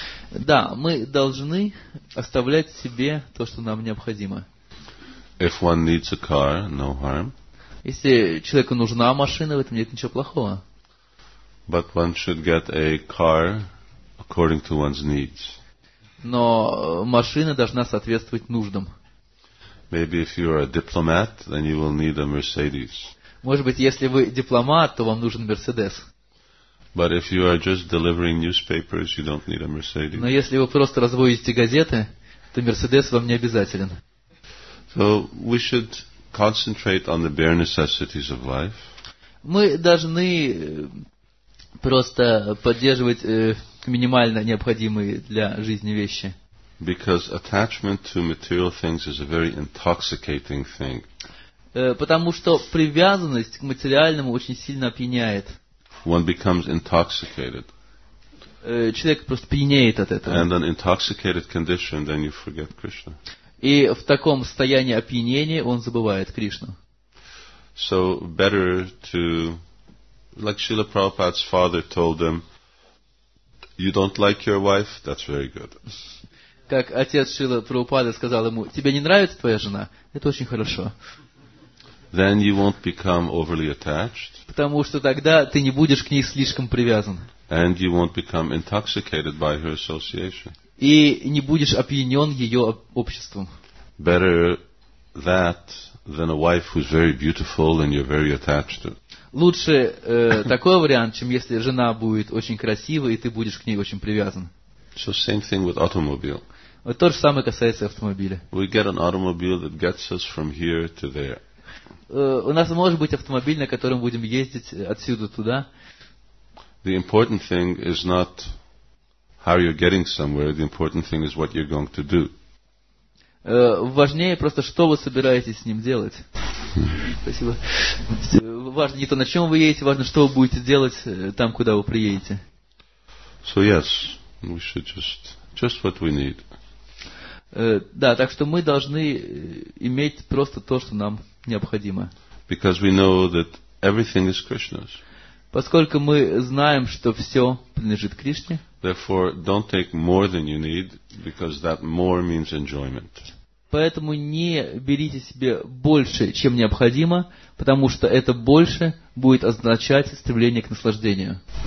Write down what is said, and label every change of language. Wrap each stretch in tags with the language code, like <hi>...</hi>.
<ru>Да, мы должны оставлять себе то, что нам необходимо.</ru> <en>If one needs a car, no harm.</en> <ru>Если человеку нужна машина, в этом нет ничего плохого.</ru> <en>But one should get a car according to one's needs.</en> <ru>Но машина должна соответствовать нуждам.</ru> <en>Maybe if you are a diplomat, then you will need a Mercedes.</en> <ru>Может быть, если вы дипломат, то вам нужен Mercedes.</ru> <en>But if you are just delivering newspapers, you don't need a Mercedes.</en> <ru>Но если вы просто развозите газеты, то Mercedes вам не обязателен.</ru> <en>So we should concentrate on the bare necessities of life.</en> <ru>Мы должны просто поддерживать минимально необходимые для жизни вещи.</ru> <en>Because attachment to material things is a very intoxicating thing.</en> <ru>Потому что привязанность к материальному очень сильно опьяняет.</ru> <en>One becomes intoxicated.</en> <ru>Человек просто пьянеет от этого.</ru> <en>And an intoxicated condition, then you forget Krishna.</en> <ru>И в таком состоянии опьянения он забывает Кришну.</ru> <en>So better to, like Srila Prabhupada's father told them, you don't like your wife, that's very good.</en> <ru>Как отец Шрила Прабхупады сказал ему, тебе не нравится твоя жена? Это очень хорошо.</ru> <en>Then you won't become overly attached.</en> <ru>Потому что тогда ты не будешь к ней слишком привязан.</ru> <en>And you won't become intoxicated by her association.</en> <ru>И не будешь опьянен ее обществом.</ru> <en>Better that than a wife who's very beautiful and you're very attached to.</en> <ru>Лучше такой вариант, чем если жена будет очень красивой и ты будешь к ней очень привязан.</ru> <en>So same thing with automobile.</en> <ru>Вот то же самое касается автомобиля.</ru> <en>We get an automobile that gets us from here to there.</en> <ru>У нас может быть автомобиль, на котором будем ездить отсюда туда.</ru> <en>The important thing is not how you're getting somewhere, the important thing is what you're going to do.</en> <ru>Важнее просто, что вы собираетесь с ним делать. Спасибо. Важно не то, на чем вы едете, важно, что вы будете делать там, куда вы приедете.</ru> <en>So yes, we should just what we need.</en> <ru>Да, так что мы должны иметь просто то, что нам необходимо.</ru> <en>Because we know that everything is Krishna's.</en> <ru>Поскольку мы знаем, что все принадлежит Кришне.</ru> <en>Therefore, don't take more than you need, because that more means enjoyment.</en> <ru>Поэтому не берите себе больше, чем необходимо, потому что это больше будет означать стремление к наслаждению.</ru>